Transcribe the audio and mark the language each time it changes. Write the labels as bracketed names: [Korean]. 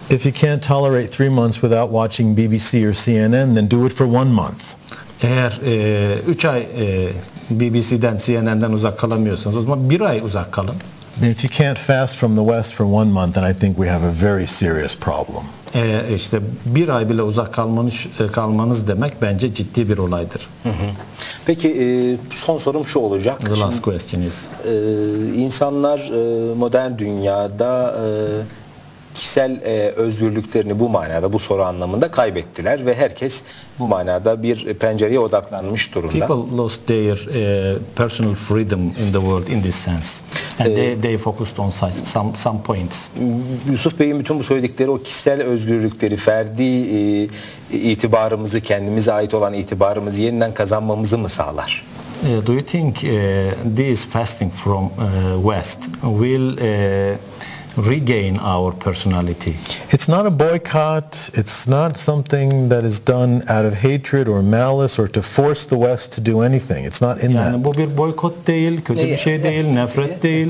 [English] If you can't tolerate 3 months without watching BBC or CNN, then do it for 1 month. [Turkish] Eğer 3 ay BBC'den CNN'den uzak kalamıyorsanız o zaman 1 ay uzak kalın. [English] And if you can't fast from the West for 1 month, then I think we have a very serious problem. [Turkish] İşte bir ay bile uzak kalmanız demek bence ciddi bir olaydır. Peki son sorum şu olacak. [English] The last question is. [Turkish] İnsanlar modern dünyada kişisel özgürlüklerini bu manada, bu soru anlamında kaybettiler ve herkes bu manada bir pencereye odaklanmış durumda. [English] People lost their personal freedom in the world in this sense. And they focused on some points. [Turkish] Yusuf Bey'in bütün bu söyledikleri o kişisel özgürlükleri, ferdi itibarımızı, kendimize ait olan itibarımızı yeniden kazanmamızı mı sağlar? [English] Do you think this fasting from West will regain our personality? It's not a boycott. It's not something that is done out of hatred or malice or to force the West to do anything. It's not in [Turkish] yani [English] that. [Turkish] Bu bir boykot değil, kötü bir şey değil, nefret değil.